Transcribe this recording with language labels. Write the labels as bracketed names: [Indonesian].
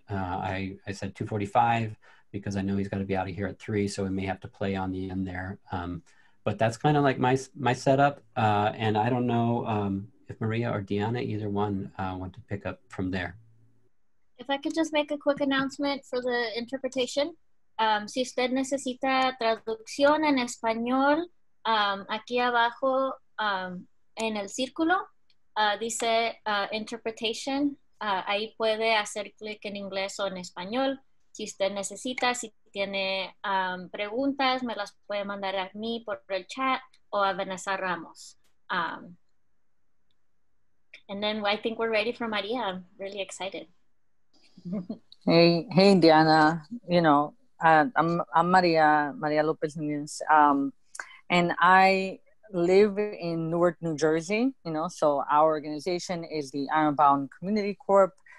[English] I said 2:45 because I know he's got to be out of here at 3, so we may have to play on the end there. But that's kind of like my setup. And I don't know if Maria or Deanna, either one, want to pick up from there. If I could just make a quick announcement for the interpretation. [Spanish] Si usted necesita traducción en español, aquí abajo en el círculo dice interpretation. Ahí puede hacer clic en inglés o en español. Si usted necesita, si tiene preguntas, me las puede mandar a mí por el chat o a Vanessa Ramos. [English] And then I think we're ready for Maria. I'm really excited. Hey, Diana. I'm Maria Lopez Nunez, and I live in Newark, New Jersey, you know, so our organization is the Ironbound Community Corp.